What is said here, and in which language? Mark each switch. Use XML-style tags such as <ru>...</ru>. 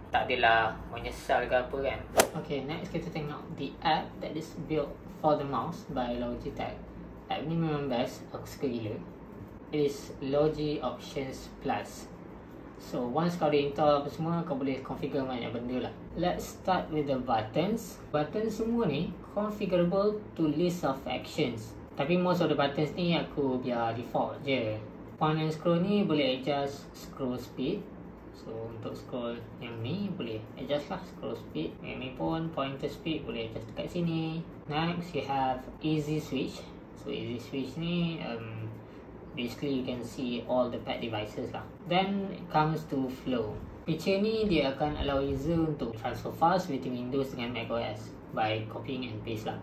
<ms>Tak adalah menyesal ke apa kan.</ms> <en>Okay, next kita tengok the app that is built for the mouse by Logitech.</en> <ms>App ni memang best, aku suka gila. It is Logi Options Plus. So once kau dah install apa semua, kau boleh configure banyak benda lah.</ms> <en>Let's start with the buttons. Buttons semua ni configurable to list of actions. Tapi most of the buttons ni aku biar default je. Point and scroll ni boleh adjust scroll speed.</en> <ms>So untuk scroll yang ni boleh adjust lah scroll speed. Yang ni pun pointer speed boleh adjust dekat sini.</ms> <en>Next you have easy switch. So easy switch ni basically you can see all the pad devices lah. Then comes to flow. Feature ni dia akan allow user untuk transfer files between Windows dengan macOS by copying and paste lah.</en>